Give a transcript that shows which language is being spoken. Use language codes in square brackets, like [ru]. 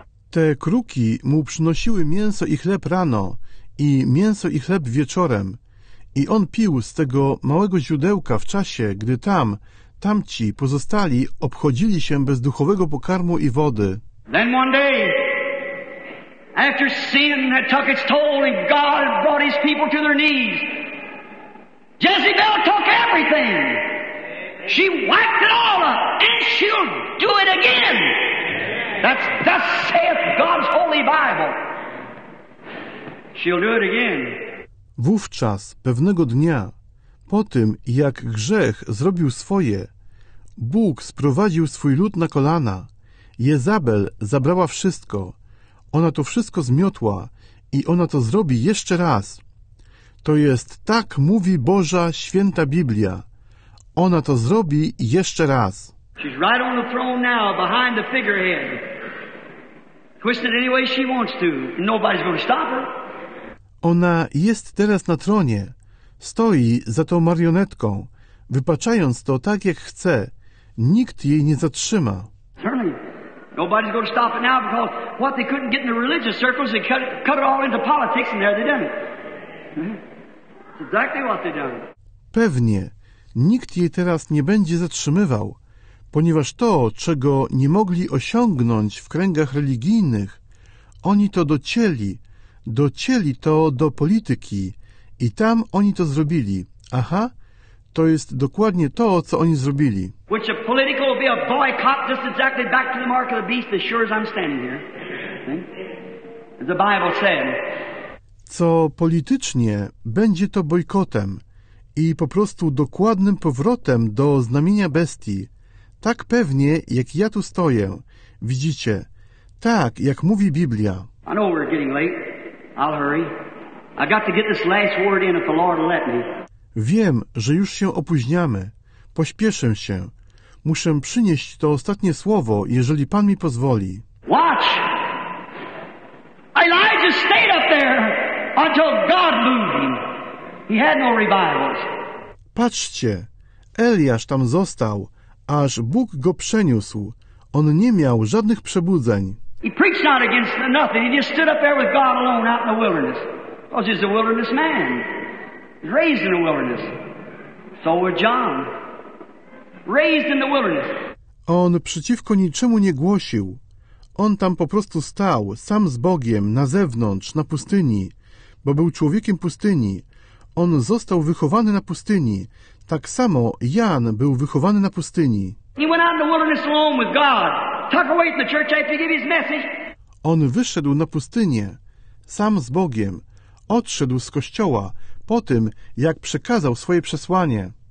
[pl] Te kruki mu przynosiły mięso i chleb rano i mięso i chleb wieczorem, i on pił z tego małego źródełka w czasie, gdy tamci pozostali obchodzili się bez duchowego pokarmu i wody. [en] Then one day, after sin had took its toll and God brought his people to their knees, Jezebel took everything. She wiped it all up and she'll do it again. That's saith God's holy Bible. She'll do it again. [pl] Wówczas, pewnego dnia, po tym jak grzech zrobił swoje, Bóg sprowadził swój lud na kolana. Jezabel zabrała wszystko. Ona to wszystko zmiotła i ona to zrobi jeszcze raz. To jest tak, mówi Boża Święta Biblia. Ona to zrobi jeszcze raz. [en] She's right on the throne now, behind the figurehead. Twist it any way she wants to. Nobody's going to stop her. [pl] Ona jest teraz na tronie. Stoi za tą marionetką, wypaczając to tak, jak chce. Nikt jej nie zatrzyma. [en] Certainly. Nobody's going to stop it now because what they couldn't get in the religious circles, they cut it all into politics and there they done it. It's exactly what they done. [pl] Pewnie. Nikt jej teraz nie będzie zatrzymywał, ponieważ to, czego nie mogli osiągnąć w kręgach religijnych, oni to docięli. Docięli to do polityki i tam oni to zrobili. Aha. To jest dokładnie to, co oni zrobili. [en] Which a political will be a boycott just exactly back to the mark of the beast as sure as I'm standing here. As the Bible said. [pl] Co politycznie będzie to bojkotem i po prostu dokładnym powrotem do znamienia bestii. Tak pewnie, jak ja tu stoję. Widzicie? Tak, jak mówi Biblia. [en] I know we're getting late. I'll hurry. I got to get this last word in if the Lord will let me. [pl] Wiem, że już się opóźniamy. Pośpieszę się. Muszę przynieść to ostatnie słowo, jeżeli Pan mi pozwoli. [en] Watch! Elijah stayed up there until God moved him. He had no revivals. [pl] Patrzcie, Eliasz tam został, aż Bóg go przeniósł. On nie miał żadnych przebudzeń. [en] He preached not against nothing. He just stood up there with God alone out in the wilderness. Because he's a wilderness man. Raised in the wilderness. So were John. Raised in the wilderness. [pl] On przeciwko niczemu nie głosił. On tam po prostu stał, sam z Bogiem, na zewnątrz, na pustyni, bo był człowiekiem pustyni. On został wychowany na pustyni. Tak samo Jan był wychowany na pustyni. [en] He went out in the wilderness alone with God. Tuck away from the church after he gave his message. [pl] On wyszedł na pustynię, sam z Bogiem. Odszedł z kościoła po tym, jak przekazał swoje przesłanie.